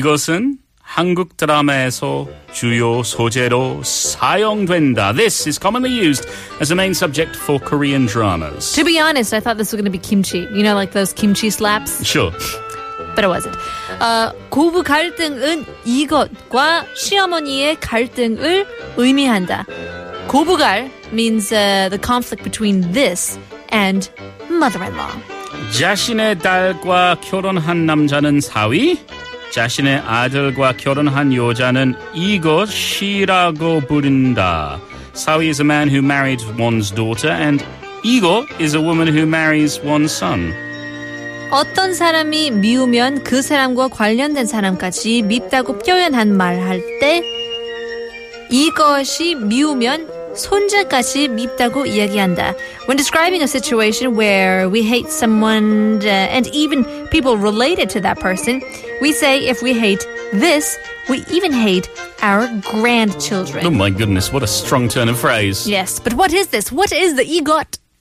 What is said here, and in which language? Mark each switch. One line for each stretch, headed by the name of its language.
Korean: 이것은 한국 드라마에서 주요 소재로 사용된다.
English: This is commonly used as a main subject for Korean dramas. To be honest, I thought this was going to be kimchi. You know, like those kimchi slaps? Sure. But it wasn't.
Korean: 고부 갈등은 이것과 시어머니의 갈등을 의미한다.
English: 고부갈 means the conflict between this and mother-in-law.
Korean: 자신의 딸과 결혼한 남자는 사위? 자신의 아들과 결혼한 여자는 이것이라고 부른다.
English: 사위 is a man who married one's daughter, and 이거 is a woman who marries one's son.
Korean: 어떤 사람이 미우면 그 사람과 관련된 사람까지 밉다고 표현한 말할 때 이것이 미우면 손자까지 밉다고 이야기한다.
English: When describing a situation where we hate someone and even people related to that person, we say if we hate this, we even hate our grandchildren. Oh my goodness, what a strong turn of phrase. Yes, but what is this? What is the egot?